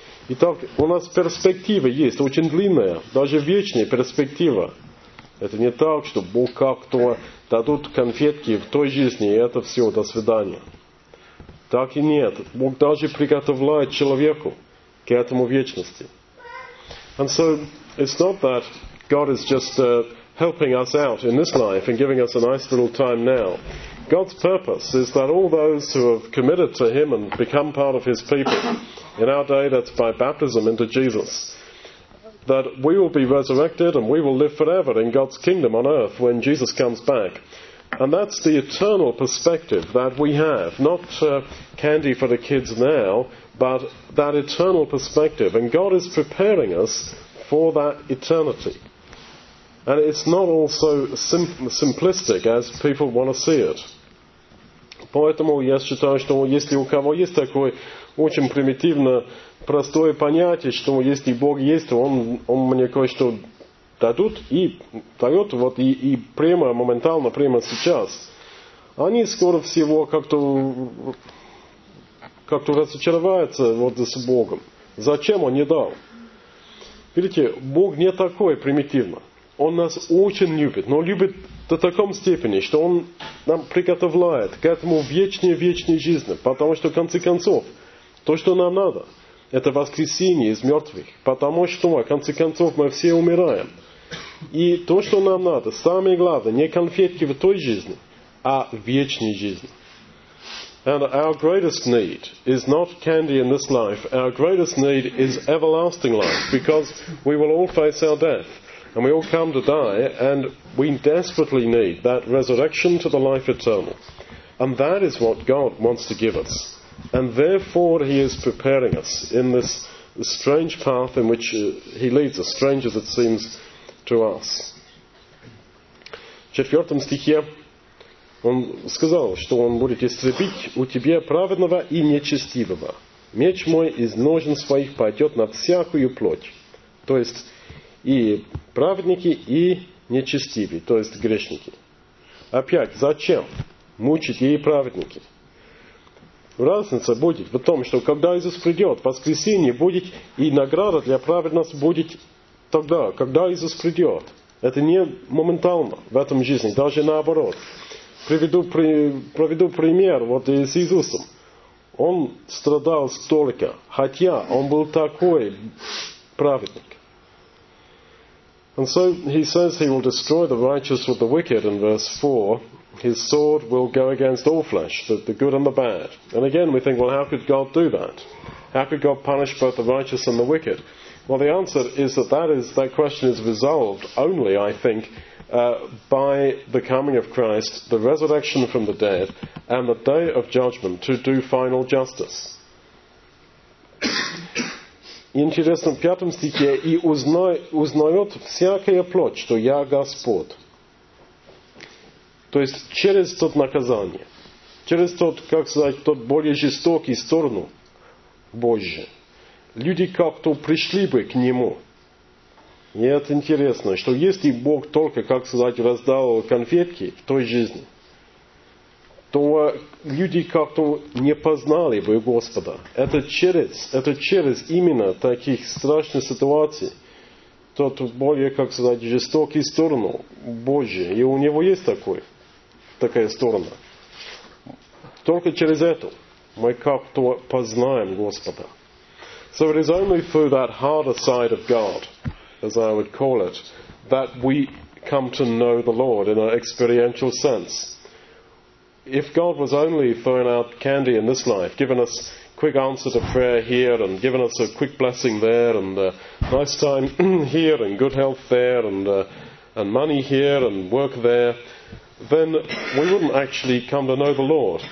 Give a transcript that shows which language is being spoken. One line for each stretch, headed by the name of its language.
Russian: Итак, у нас перспектива есть, очень длинная, даже вечная перспектива. Это не так, что Бог как-то дадут конфетки в той жизни, и это все, до свидания. Так и нет. Бог даже приготовляет человеку к этому вечности.
English: And so, it's not that God is just helping us out in this life and giving us a nice little time now. God's purpose is that all those who have committed to him and become part of his people, in our day that's by baptism into Jesus, that we will be resurrected and we will live forever in God's kingdom on earth when Jesus comes back. And that's the eternal perspective that we have, not candy for the kids now, but that eternal perspective. And God is preparing us for that eternity. And it's not all so simplistic as people want to see it.
Russian: Поэтому я считаю, что если у кого есть такое очень примитивное, простое понятие, что если Бог есть, то он мне кое-что дадут и дает вот и прямо, моментально, прямо сейчас. Они скоро всего как-то разочаровываются вот с Богом. Зачем он не дал? Видите, Бог не такой примитивно. Он нас очень любит, но любит до такой степени, что он нам приготовляет к этому вечной жизни. Потому что, в конце концов, то, что нам надо, это воскресение из мертвых. Потому что, в конце концов, мы все умираем. И то, что нам надо, самое главное, не конфетки в той жизни, а вечной жизни.
English: And our greatest need is not candy in this life. Our greatest need is everlasting life, because we will all face our death. And we all come to die, and we desperately need that resurrection to the life eternal. And that is what God wants to give us. And therefore he is preparing us in this strange path in which he leads us, strange as it seems to us.
Russian: Четвертом стихе он сказал, что он будет истребить у тебя праведного и нечестивого. Меч мой из ножен своих пойдет на всякую плоть. То есть и праведники, и нечестивые, то есть грешники. Опять, зачем мучить и праведники? Разница будет в том, что когда Иисус придет, воскресенье будет, и награда для праведности будет тогда, когда Иисус придет. Это не моментально в этом жизни, даже наоборот. Приведу пример вот с Иисусом. Он страдал столько, хотя он был такой праведник.
English: And so he says he will destroy the righteous with the wicked in verse 4. His sword will go against all flesh, the good and the bad. And again we think, well, how could God do that? How could God punish both the righteous and the wicked? Well, the answer is that question is resolved only, I think, by the coming of Christ, the resurrection from the dead, and the day of judgment to do final justice.
Russian: Интересно, в пятом стихе, и узнает всякая плоть, что я Господь. То есть через тот наказание, через тот, как сказать, тот более жестокий сторону Божий, люди как-то пришли бы к Нему. И это интересно, что если Бог только, как сказать, раздал конфетки в той жизни, то люди как-то не познали бы Господа. Это через именно таких страшных ситуаций, тот более, как сказать, жестокий сторону Божий. И у него есть такая сторона. Только через это мы как-то познаем Господа.
English: So it is only through that harder side of God, as I would call it, that we come to know the Lord in an experiential sense. If God was only throwing out candy in this life, giving us quick answer to prayer here and giving us a quick blessing there and a nice time here and good health there and money here and work there, then we wouldn't actually come to know the Lord.